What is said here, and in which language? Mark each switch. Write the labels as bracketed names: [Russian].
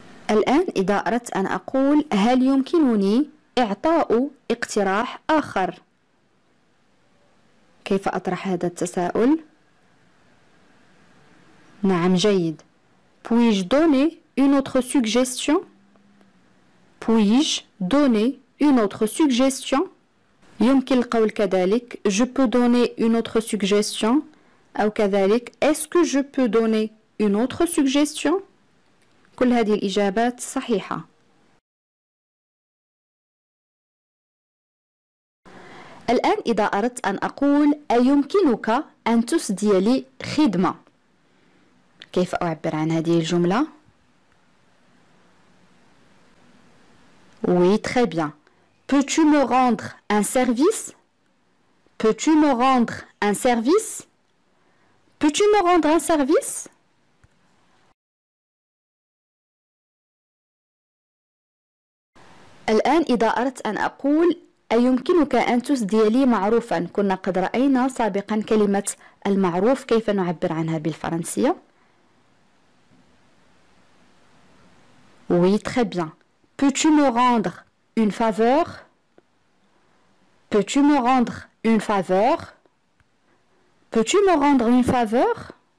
[Arabic] الآن إذا أردت أن أقول هل يمكنني إعطاء اقتراح آخر؟ كيف أطرح هذا التساؤل؟ نعم جيد. [French] Puis-je donner une autre suggestion؟ Puis-je donner une autre suggestion؟ [Arabic] يمكن القول كذلك [French] je peux donner une autre suggestion [Arabic] أو كذلك [French] est-ce que je peux donner une autre suggestion؟ [Arabic] كل هذه الإجابات صحيحة. الآن إذا أردت أن أقول أيمكنك أن تسدي لي خدمة؟ كيف أعبر عن هذه الجملة؟ [French] Oui, très bien. Peux-tu me rendre un service? Peux-tu me rendre un service? Peux-tu me rendre un service? [Arabic] الآن إذا أردت أن أقول أيمكنك أن تسدي لي معروفا؟ كنا قد رأينا سابقا كلمة المعروف كيف نعبر عنها بالفرنسية. [French] Oui, très bien. Peux-tu me rendre une faveur? Peux-tu me rendre une faveur? Peux-tu me rendre une faveur?